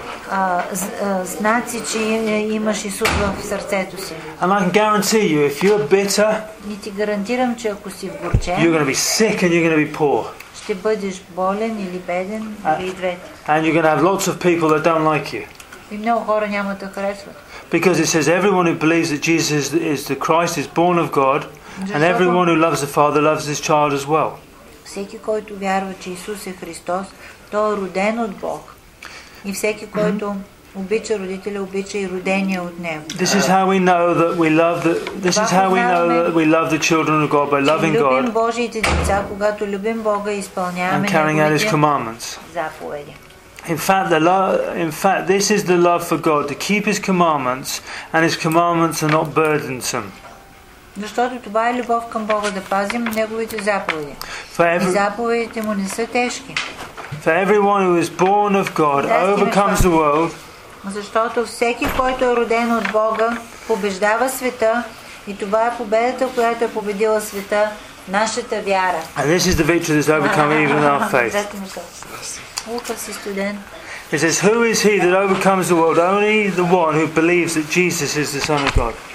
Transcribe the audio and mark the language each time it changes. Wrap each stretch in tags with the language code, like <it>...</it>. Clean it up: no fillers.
<bg>Няма знаци, че имаш Исус в сърцето си.</bg> <en>And I can guarantee you, if you're bitter,</en> <bg>и ти гарантирам, че ако си горчен,</bg> <en>you're going to be sick and you're going to be poor.</en> <bg>Ще бъдеш болен или беден, или двете.</bg> <en>And you're going to have lots of people that don't like you.</en> <bg>И много хора няма да харесват.</bg> <en>Because it says everyone who believes that Jesus is the Christ is born of God, and everyone who loves the Father loves his child as well.</en> <bg>Всеки който вярва, че Исус е Христос, той е роден от Бог. И всеки който обича родителя, обича и родения от него.</bg> <en>This is how we know that we love this is how we know that we love the children of God by loving God.</en> <bg>Любим Божиите деца, когато любим Бога и изпълняваме Неговите заповеди.</bg> <en>And carrying out His commandments. In fact, this is the love for God, to keep His commandments, and His commandments are not burdensome.</en> <bg>Защото това е любов към Бога, да пазим Неговите заповеди. И заповедите му не са тежки.</bg> <en>For everyone who is born of God overcomes the world.</en> <bg>Защото всеки, който е роден от Бога, побеждава света и това е победата, която е победила света, нашата вяра.</bg> <en>And this is the victory that's overcome even our faith.</en> <bg>Лукас е студент.</bg> <en>It says, who is he that overcomes the world? Only the one who believes that Jesus is the Son of God.</en>